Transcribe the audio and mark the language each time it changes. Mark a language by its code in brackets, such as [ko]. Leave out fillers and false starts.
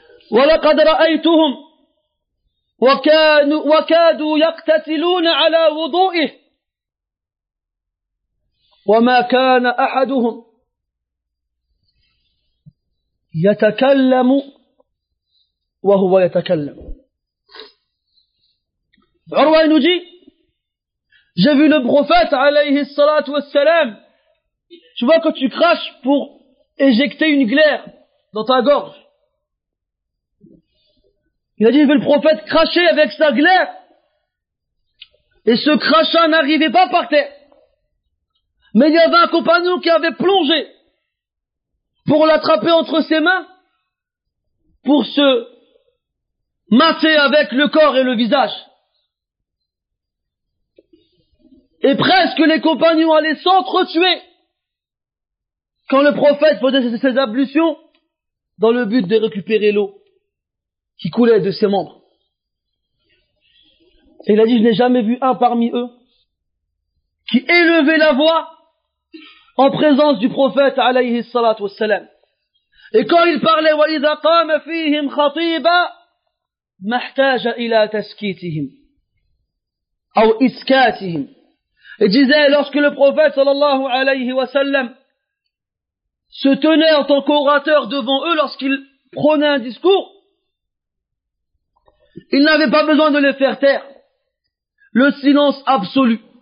[ar] Wa laqad ra'aytuhum وكادوا يقتتلون على وضوئه وما كان أحدهم يتكلم وهو يتكلم. عروة نجي [fr] j'ai vu le prophète عليه الصلاة والسلام, tu vois que tu craches pour éjecter une glaire dans ta gorge. Il a dit, le prophète crachait avec sa glaire. Et ce crachat n'arrivait pas par terre. Mais il y avait un compagnon qui avait plongé pour l'attraper entre ses mains, pour se masser avec le corps et le visage. Et presque les compagnons allaient s'entretuer quand le prophète faisait ses ablutions dans le but de récupérer l'eau qui coulait de ses membres. Et il a dit, je n'ai jamais vu un parmi eux qui élevait la voix en présence du prophète alayhi salat wa salam. Et quand il parlait, [ar] وَإِذَا قَامَ فِيهِمْ خَطِيبًا مَحْتَاجَ إِلَى تَسْكِيتِهِمْ أَوْ إِسْكَاتِهِمْ. [fr] Il disait, lorsque le prophète sallallahu alayhi wa sallam se tenait en tant qu'orateur devant eux lorsqu'il prenait un discours, il n'avait pas besoin de les faire taire. Le silence absolu.